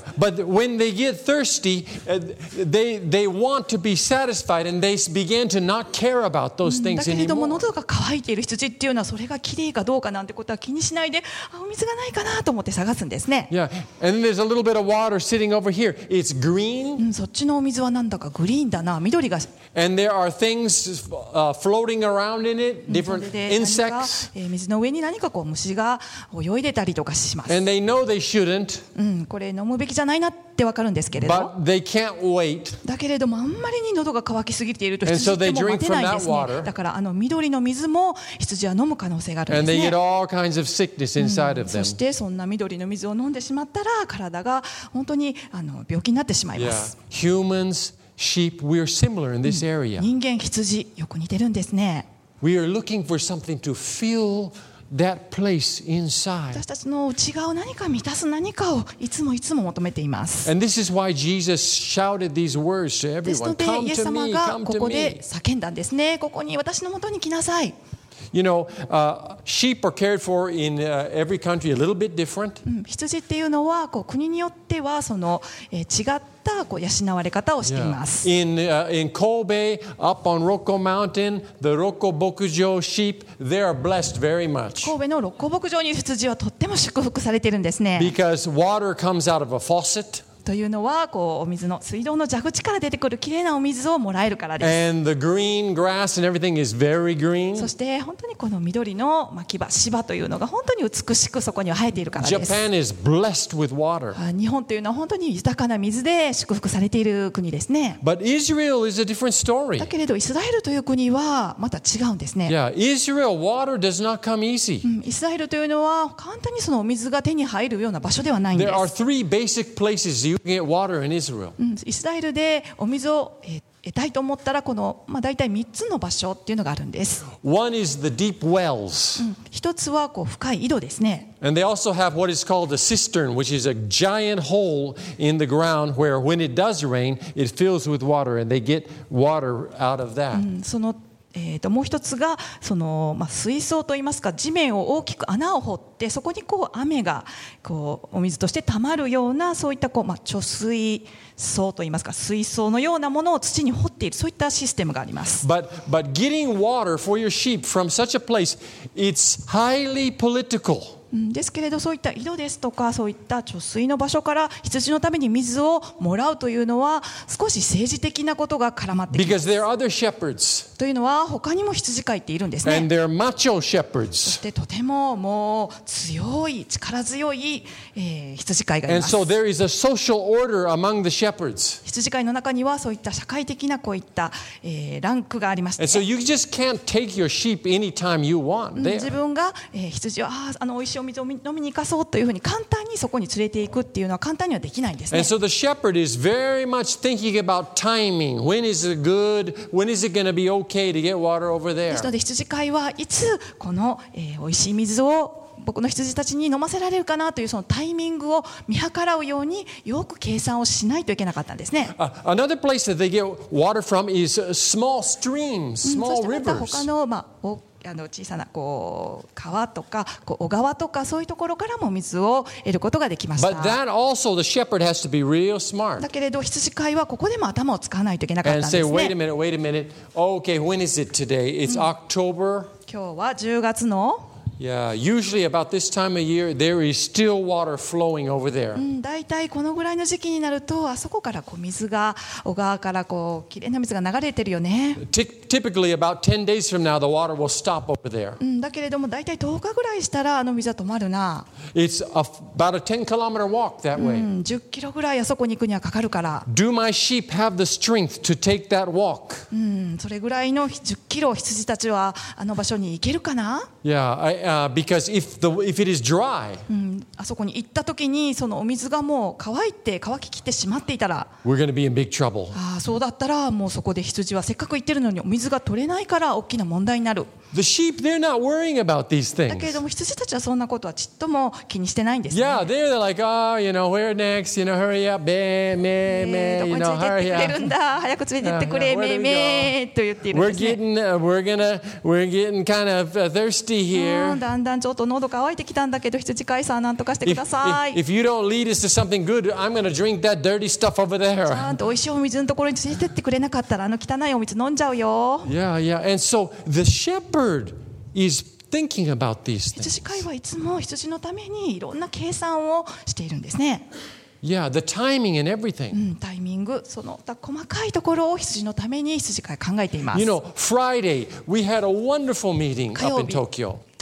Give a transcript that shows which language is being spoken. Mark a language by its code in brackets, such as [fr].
[en] But when they get thirsty, they want to be satisfied and they begin to not care about those things anymore. [ja] だけれども喉が渇いている羊っていうのは、それがきれいかどうかなんてことは気にしないで、あ、お水がないかなと思って探すんですね。 [en] Yeah, and there's a little bit of water sitting over here. It's green. [ja] そっちのお水はなんだかグリーンだな、緑が。 [en] And there are things floating around in it. Different insects. [ja] 水の上に何かこう虫が泳いでたりとかします。 [en] And they know they shouldn't. [ja] これ飲むべきじゃないなって分かるんですけれど、 [en] But they can't wait. [ja] だけれどもあんまりに喉が渇きすぎていると羊っても待てないんですね。だからあの緑の水も羊は飲む可能性があるんですね。 [en] And they get all kinds of sickness inside of them. [ja] そしてそんな緑の水を飲んでしまったら、体が本当に病気になってしまいます。 [en] Yeah. Humans, sheep, we are similar in this area. [ja] 人間、羊、よく似てるんですね。 [en] We are looking for something to fill that place inside. [ja] 私たちの内側を何か満たす何かをいつもいつも求めています。 [en] And this is why Jesus shouted these words to everyone. [ja] ですので、イエス様がここで叫んだんですね。ここに私の元に来なさい。 [en] You know, sheep are cared for in every country a little bit different. [ja] 羊っていうのはこう国によってはその違ったこう養われ方をしています。 [en] Yeah. In Kobe, up on Roko Mountain, the Roko 牧場 sheep, they are blessed very much. [ja] 神戸のロッコ牧場に羊はとっても祝福されているんですね。 [en] Because water comes out of a faucet. [ja] というのはこうお水の水道の蛇口から出てくるきれいなお水をもらえるからです。 [en] And the green grass and everything is very green. [ja] そして本当にこの緑の牧場、芝というのが本当に美しくそこには生えているからです。 [en] Japan is blessed with water. [ja] 日本というのは本当に豊かな水で祝福されている国ですね。 [en] But Israel is a different story. [ja] だけれどイスラエルという国はまた違うんですね。 [en] Yeah, Israel, water does not come easy. [ja] イスラエルというのは簡単にそのお水が手に入るような場所ではないんです。 [en] There are three basic placesYou can get water in Israel. [ja] イスラエルでお水を得たいと思ったら、この、まあ、大体3つの場所っていうのがあるんです。 [en] One is the deep wells. [ja] 一つはこう深い井戸ですね。 [en] And they also have what is called a cistern, which is a giant hole in the ground where when it does rain, it fills with water and they get water out of that. [ja] その、もう一つがその、まあ、水槽といいますか、地面を大きく穴を掘って、でそこにこう雨がこうお水として溜まるような、そういったこう、まあ、貯水槽といいますか、水槽のようなものを土に掘っている、そういったシステムがあります。 [en] but getting water for your sheep from such a place, it's highly political. [ja] ですけれど、そういった井戸ですとか、そういった貯水の場所から羊のために水をもらうというのは少し政治的なことが絡まってきます。 [en] Because there are other shepherds. [ja] というのは他にも羊飼いっているんですね。 [en] And they're macho shepherds. [ja] そしてとてももう強い力強い、羊飼いがいます。 [en] And so there is a social order among the shepherds. [ja] 羊飼いの中にはそういった社会的なこういった、ランクがありまして、 [en] And so you just can't take your sheep anytime you want there. [ja] 自分が、羊をあの美味しいお水を飲みに行かそうというふうに簡単にそこに連れていくっていうのは簡単にはできないんですね。 [en] And so the shepherd is very much thinking about timing. When is it good? When is it going to be okay to get water over there? [ja] ですので羊飼いはいつこの、美味しい水を僕の羊たちに飲ませられるかなというそのタイミングを見計らうようによく計算をしないといけなかったんですね。 [en] Another place that they get water from is small streams, small rivers. [ja] そしてまた他の、まあ、小さなこう川とかこう小川とかそういうところからも水を得ることができました。 [en] But that also, the shepherd has to be real smart. [ja] だけれど羊飼いはここでも頭を使わないといけなかったんですね。 [en] And say, wait a minute, wait a minute. Okay, when is it today? It's October. [ja] 今日は10月の [en] Yeah, usually about this time of year, there is still water flowing over there. [ja] だいたいこのぐらいの時期になると、あそこからこう水が、小川からこうきれいな水が流れてるよね。 [en] Typically about 10 days from now, the water will stop over there. [ja] だけれども、だいたい10日ぐらいしたらあの水は止まるな。 [en] It's about a 10 kilometer walk that way. [ja] 10キロぐらいあそこに行くにはかかるから。 [en] Do my sheep have the strength to take that walk? [ja] それぐらいの10キロ羊たちはあの場所に行けるかな？ [en] Yeah, because if it is dry, [ja] あそこに行った時にそのお水がもう乾いて乾ききってしまっていたら、 [en] we're going to be in big trouble. [ja] そうだったらもうそこで羊はせっかく行ってるのにお水が取れないから大きな問題になる。 [en] The sheep, they're not worrying about these things. [ja] だけれども羊たちはそんなことはちっとも気にしてないんですね。 [en] Yeah, they're like, oh, you know, where next? You know, hurry up, you know, hurry up. [ja] 早く連れてってくれ、めーめーと言っているんですね。 [en] We're getting kind of thirsty here. [ja] だんだんちょっと喉乾いてきたんだけど、羊飼いさんなんとかしてください。 [en] If you don't lead us to something good, I'm going to drink that dirty stuff over there. [ja] ちゃんと美味しいお水のところに連れてってくれなかったら、あの汚いお水飲んじゃうよ。 [en] Yeah, yeah, and so the shepherd. Bird is thinking about these things. [ja] 羊飼いはいつも羊のためにいろんな計算をしているんですね。 [en] Yeah, the timing and everything. [ja] タイミング、その細かいところを羊のために羊飼い考えています。 [en] You know, Friday we had a wonderful meeting up in Tokyo.